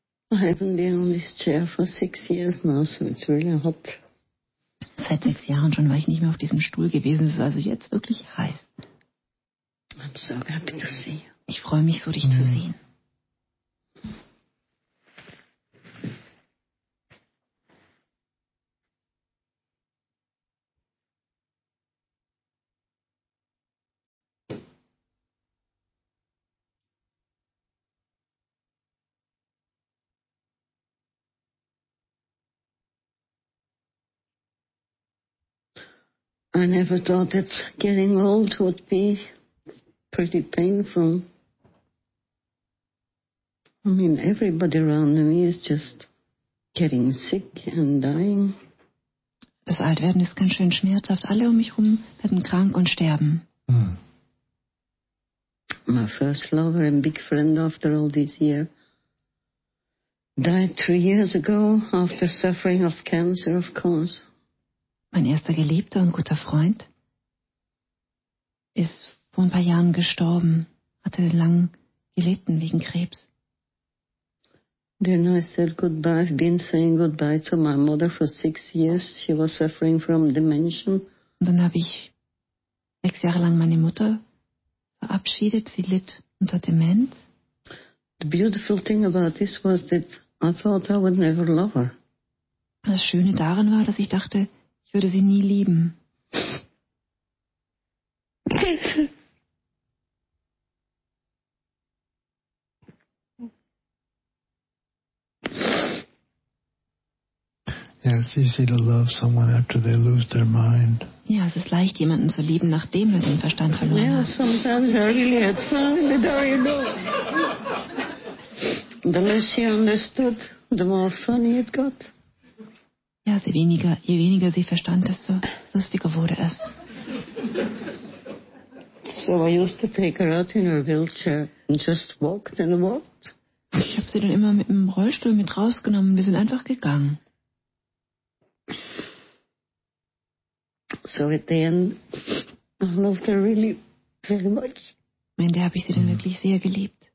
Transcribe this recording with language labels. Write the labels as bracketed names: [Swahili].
[English] I haven't been on this chair for 6 years now, so it's really hot. [German] Seit 6 Jahren schon war ich nicht mehr auf diesem Stuhl gewesen, es ist also jetzt wirklich heiß. [English] I'm so happy to see you. [German] Ich freue mich so, dich zu sehen. [English] I never thought that getting old would be pretty painful. I mean, everybody around me is just getting sick and dying. [German] Das Altwerden ist ganz schön schmerzhaft. Alle um mich rum werden krank und sterben. [English] My first lover and big friend after all this year died 3 years ago after suffering of cancer, of course. [German] Mein erster Geliebter und guter Freund ist vor ein paar Jahren gestorben, hatte lang gelitten wegen Krebs. [English] Then I said goodbye. I've been saying goodbye to my mother for 6 years. She was suffering from dementia. [German] Und dann habe ich 6 Jahre lang meine Mutter verabschiedet. Sie litt unter Demenz. [English] The beautiful thing about this was that I thought I would never love her. [German] Das Schöne daran war, dass ich dachte, ich würde sie nie lieben. [English] Yeah, it's easy to love someone after they lose their mind. [German] Ja, es ist leicht, jemanden zu lieben, nachdem er den Verstand verloren hat. [English] Yeah, sometimes I really had fun, but now you know. The less you understood, the more fun it got. [German] Ja, je weniger sie verstand, desto lustiger wurde es. [English] So I used to take her out in her wheelchair and just walked and walked. [German] Ich habe sie dann immer mit dem Rollstuhl mit rausgenommen. Wir sind einfach gegangen. [English] So at the end, I loved her really very much. [German] Am Ende habe ich sie dann wirklich sehr geliebt.